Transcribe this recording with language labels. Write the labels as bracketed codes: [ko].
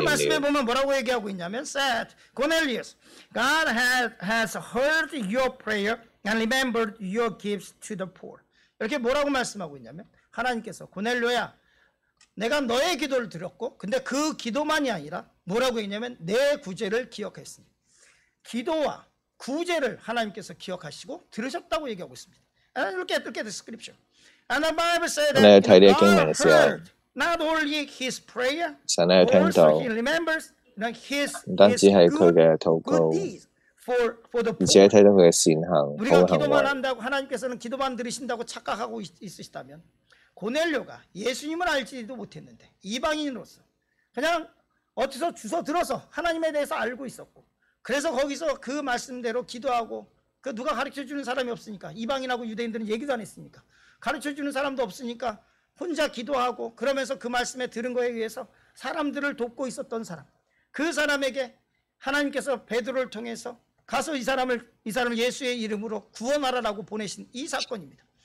[ko] 말씀에 보면 뭐라고 얘기하고 있냐면, [en] said, Cornelius, God has heard your prayer and remembered your gifts to the poor. [ko] 이렇게 뭐라고 말씀하고 있냐면, 하나님께서 고넬료야, 내가 너의 기도를 드렸고, 근데 그 기도만이 아니라 뭐라고 했냐면 내 구제를 기억했습니다. 기도와 구제를 하나님께서 기억하시고 들으셨다고 얘기하고 있습니다. [en] And look at the scripture. And the Bible said that God heard not only his prayer, but also he remembers his good deeds for the poor. [ko] 기도만 들으신다고 착각하고 있으시다면 고넬료가 예수님을 알지도 못했는데 이방인으로서 그냥 어디서 주소 들어서 하나님에 대해서 알고 있었고 그래서 거기서 그 말씀대로 기도하고 그 누가 가르쳐주는 사람이 없으니까 이방인하고 유대인들은 얘기도 안 했으니까 가르쳐주는 사람도 없으니까 혼자 기도하고 그러면서 그 말씀에 들은 거에 의해서 사람들을 돕고 있었던 사람 그 사람에게 하나님께서 베드로를 통해서 가서 이 사람을 예수의 이름으로 구원하라라고 보내신 이 사건입니다.